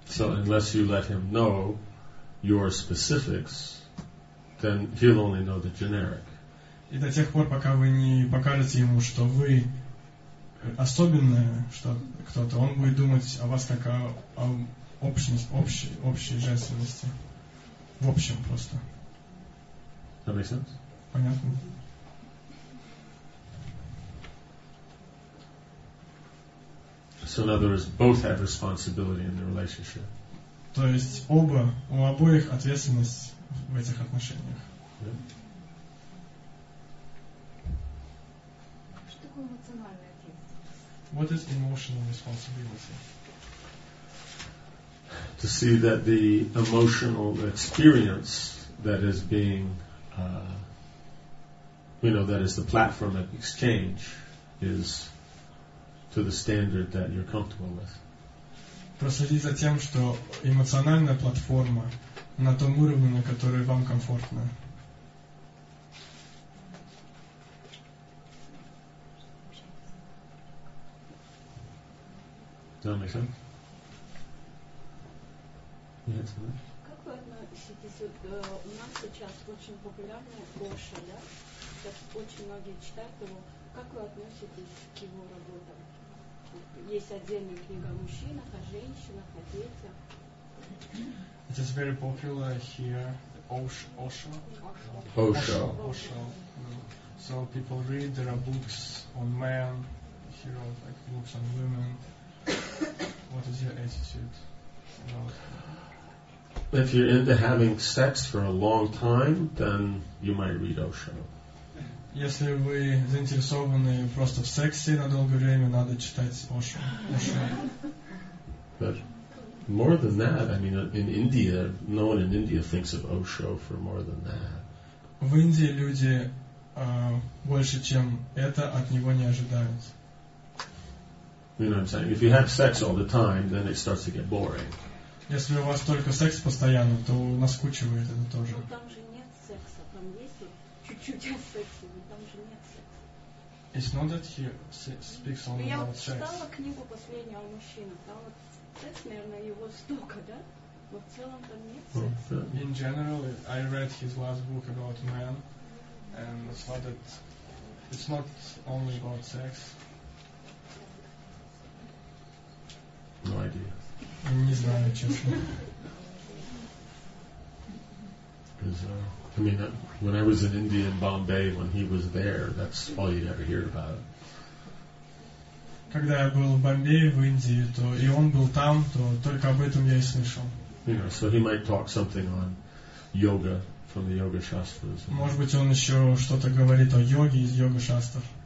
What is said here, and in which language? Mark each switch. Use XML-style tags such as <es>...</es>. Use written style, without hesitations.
<en>So unless you let him know your specifics, then he'll only know the generic.</en> <ru>И до тех пор, пока вы не покажете ему, что вы особенное, что кто-то, он будет думать о вас как о общей женственности. В общем, просто.</ru> <en>That makes sense?</en> <ru>Понятно.</ru> <en>So in other words, both have responsibility in the relationship.</en> <ru>То есть оба, у обоих ответственность в этих отношениях. Что такое эмоциональная ответственность?</ru> <en>What is emotional responsibility? To see that the emotional experience that is being, that is the platform of exchange is to the standard that you're comfortable with.</en> <ru>Проследить за тем, что эмоциональная платформа на том уровне, на который вам комфортно. Да, мы сам. Как вы относитесь? Вот, у нас сейчас очень популярная Оша, да? Сейчас очень многие читают его. Как вы относитесь к его работам?</ru> <en>It is very popular here, Osho. Osho. Osho. So people read, there are books on men, he wrote like books on women. What is your attitude about that? If you're into having sex for a long time, then you might read Osho.</en> <ru>Если вы заинтересованы просто в сексе на долгое время, надо читать Osho.</ru> <en>But more than that, I mean, in India, no one in India thinks of Osho for more than that.</en> <ru>В Индии люди больше, чем это, от него не ожидают.</ru> <en>You know what I'm saying? If you have sex all the time, then it starts to get boring.</en> <ru>Если у вас только секс постоянно, то наскучивает это тоже. Там же нет секса, там есть чуть-чуть о сексе.</ru> <en>It's not that he speaks only</en> <ru>я</ru> <en>about sex.</en> <ru>Читала книгу последнюю о мужчинах. Там вот секс, наверное, его столько, да? Но в целом там нет секса.</ru> <en>In general, I read his last book about men, and it's not that it's not only about sex. No idea.</en> <ru>Не знаю, честно.</ru> <en>I mean, when I was in India in Bombay, when he was there, that's all you'd ever hear about.</en> <ru>Когда я был в Бомбее в Индии, то и он был там, то только об этом я и слышал.</ru> <en>You know, so he might talk something on yoga from the yoga shastras.</en> <ru>Может быть, он еще что-то говорит о йоге из йога шастр.</ru>